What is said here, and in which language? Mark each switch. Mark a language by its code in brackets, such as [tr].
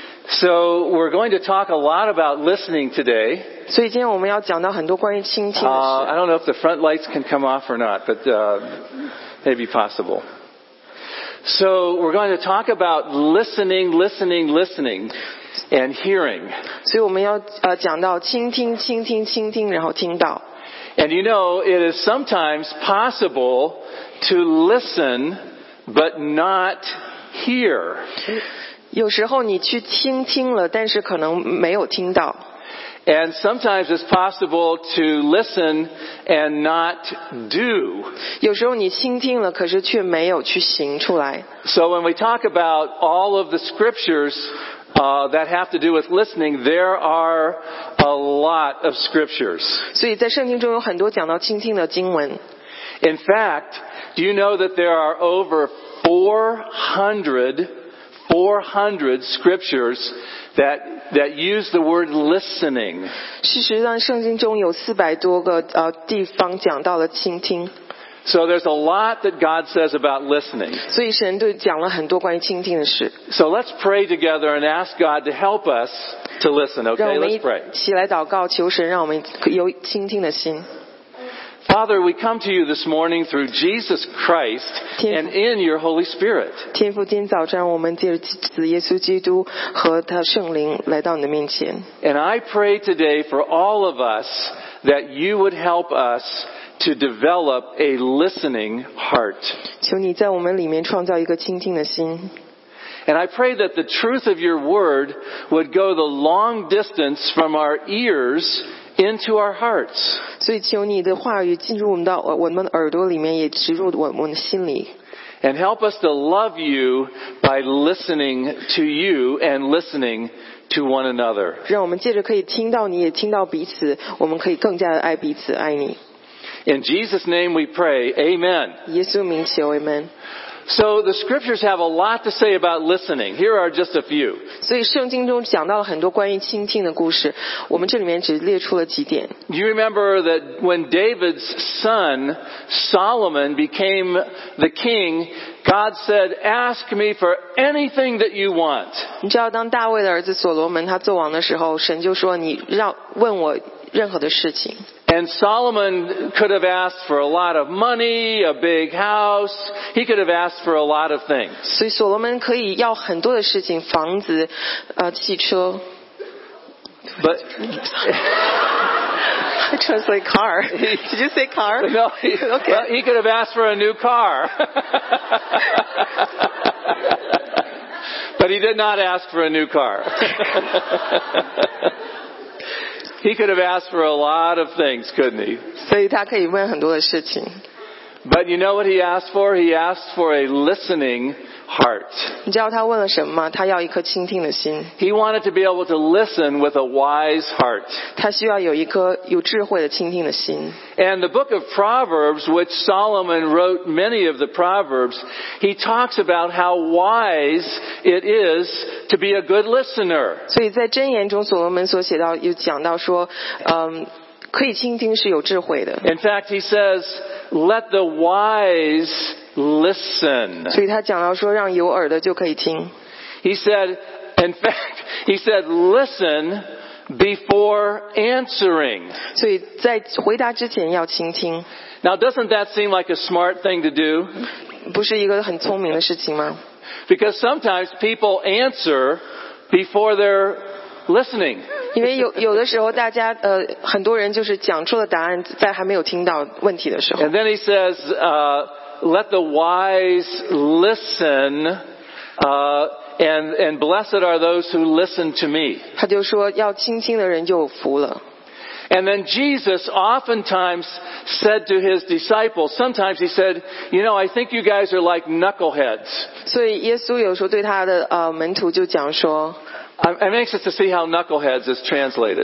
[en] So we're going to talk a lot about listening today. [zh] 所以今天我们要讲到很多关于倾听的事。 [en] I don't know if the front lights can come off or not, but maybe possible. So we're going to talk about listening, and hearing. [zh] 所以我们要讲到倾听，然后听到。 [en] And you know, it is sometimes possible to listen. But not hear. [zh] 有时候你去倾听了，但是可能没有听到。 [en] And sometimes it's possible to listen and not do. [zh] 有时候你倾听了，可是却没有去行出来。 [en] So when we talk about all of the scriptures, that have to do with listening, there are a lot of scriptures. [zh] 所以在圣经中有很多讲到倾听的经文。 [en] In fact, do you know that there are over 400 400 scriptures that use the word listening. [zh] 事实上，圣经中有四百多个地方讲到了倾听。 [en] So there's a lot that God says about listening. [zh] 所以神对讲了很多关于倾听的事。 [en] So let's pray together and ask God to help us to listen. Okay, let's pray. [zh] 让我们一起来祷告，求神让我们有倾听的心。 [en] Father, we come to you this morning through Jesus Christ and in your Holy Spirit. [zh] 天父，今早上我们借着耶稣基督和他圣灵来到你的面前。 [en] And I pray today for all of us that you would help us to develop a listening heart. [zh] 求你在我们里面创造一个倾听的心。 [en] And I pray that the truth of your word would go the long distance from our ears into our hearts. [zh] 所以求你的话语进入我们耳朵里面，也植入我们的心里。 [en] And help us to love you by listening to you and listening to one another. [zh] 让我们借着可以听到你，也听到彼此，我们可以更加的爱彼此，爱你。 [en] In Jesus' name we pray, Amen. [zh] 耶稣名求 ，Amen。 [en] So the scriptures have a lot to say about listening. Here are just a few. [zh] 所以圣经中讲到了很多关于倾听的故事。我们这里面只列出了几点。 [en] Do you remember that when David's son Solomon became the king, God said, "Ask me for anything that you want." [zh] 你知道当大卫的儿子所罗门他做王的时候，神就说你让问我任何的事情。 [en] And Solomon could have asked for a lot of money, a big house. He could have asked for a lot of things. [zh] 所以所罗门可以要很多的事情，房子，汽车。 [en] But I translate car. Did you say car? No. Okay. Well, he could have asked for a new car. But he did not ask for a new car. He could have asked for a lot of things, couldn't he? [zh] 所以他可以问很多的事情。 [en] But you know what he asked for? He asked for a listening heart. [zh] 你知道他问了什么吗？他要一颗倾听的心。 [en] He wanted to be able to listen with a wise heart. [zh] 他需要有一颗有智慧的倾听的心。 [en] And the book of Proverbs, which Solomon wrote many of the Proverbs, he talks about how wise it is to be a good listener. [zh] 所以在箴言中，所罗门所写到又讲到说，可以倾听是有智慧的。 [en] In fact, he says, "Let the wise listen." [zh] 所以他讲到说，让有耳的就可以听。 [en] He said, "In fact, he said, listen before answering." [zh] 所以在回答之前要倾听。 [en] Now, doesn't that seem like a smart thing to do? [zh] 不是一个很聪明的事情吗？ [en] Because sometimes people answer before they're listening. [zh] 因为有的时候大家很多人就是讲出了答案在还没有听到问题的时候。 [en] And then he says, let the wise listen, and blessed are those who listen to me. [zh] 他就说要倾听的人就福了。 [en] And then Jesus oftentimes said to his disciples, sometimes he said, you know, I think you guys are like knuckleheads. [zh] 所以耶稣有时候对他的门徒就讲说 [en] I'm anxious to see how knuckleheads is translated.